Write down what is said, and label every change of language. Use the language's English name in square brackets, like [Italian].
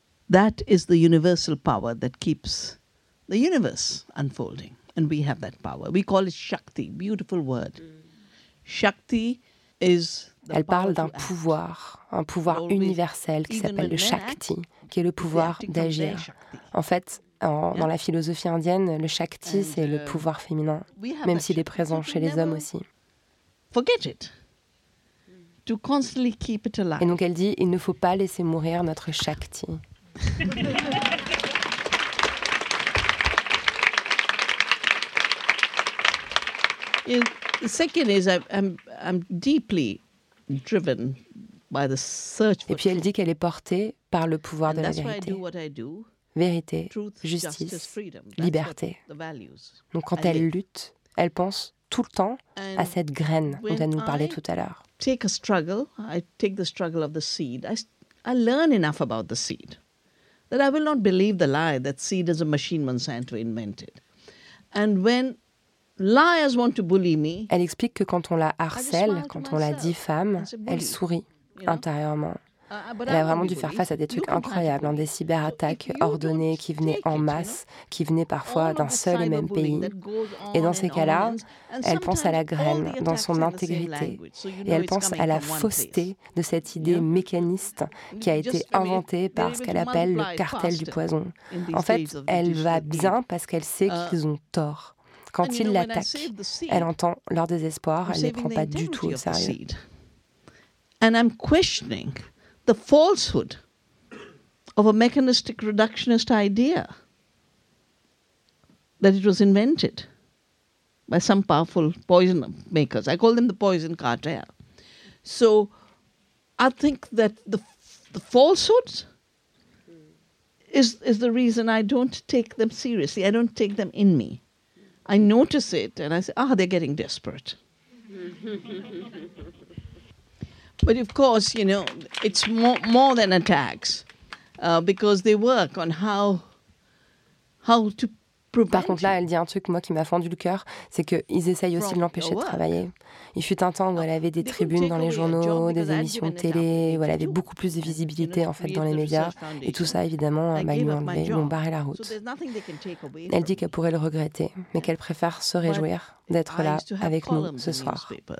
[English] That is the universal power that keeps the universe unfolding, and we have that power. We call it Shakti, beautiful word. Shakti is. [French] Elle parle d'un pouvoir, un pouvoir universel qui s'appelle le Shakti, qui est le pouvoir d'agir. En fait. Dans la philosophie indienne, le Shakti, c'est le pouvoir féminin, même s'il est présent chez les hommes aussi. Et donc elle dit, il ne faut pas laisser mourir notre Shakti. Merci. [English] The second is I'm deeply driven by the search. [French] Et puis elle dit qu'elle est portée par le pouvoir de la vérité. Vérité, justice, liberté. Donc quand elle lutte, elle pense tout le temps à cette graine dont elle nous parlait tout à l'heure. [English] Take a struggle, I take the struggle of the seed. I learn enough about the seed that I will not believe the lie that seed is a machine Monsanto invented. And when liars want to bully me, [French] elle explique que quand on la harcèle, quand on la diffame, elle sourit intérieurement. Elle a vraiment dû faire face à des trucs incroyables, des cyberattaques ordonnées qui venaient en masse, qui venaient parfois d'un seul et même pays. Et dans ces cas-là, elle pense à la graine, dans son intégrité. Et elle pense à la fausseté de cette idée mécaniste qui a été inventée par ce qu'elle appelle le cartel du poison. En fait, elle va bien parce qu'elle sait qu'ils ont tort. Quand ils l'attaquent, elle entend leur désespoir, elle ne les prend pas du tout au sérieux. [English] And I'm questioning the falsehood of a mechanistic reductionist idea that it was invented by some powerful poison makers. I call them the poison cartel. So I think that the falsehoods is the reason I don't take them seriously. I don't take them in me. I notice it and I say, they're getting desperate. But of course, you know, it's more than attacks, because they work on how to prevent. [French] Par contre, là, elle dit un truc, moi, qui m'a fendu le cœur, c'est qu'ils essayent aussi de l'empêcher de travailler. Il fut un temps où elle avait des tribunes dans les journaux, des émissions de télé, où elle avait beaucoup plus de visibilité, en fait, dans les médias. Et tout ça, évidemment, m'a barré la route. Elle dit qu'elle pourrait le regretter, mais qu'elle préfère se réjouir d'être là avec nous ce soir.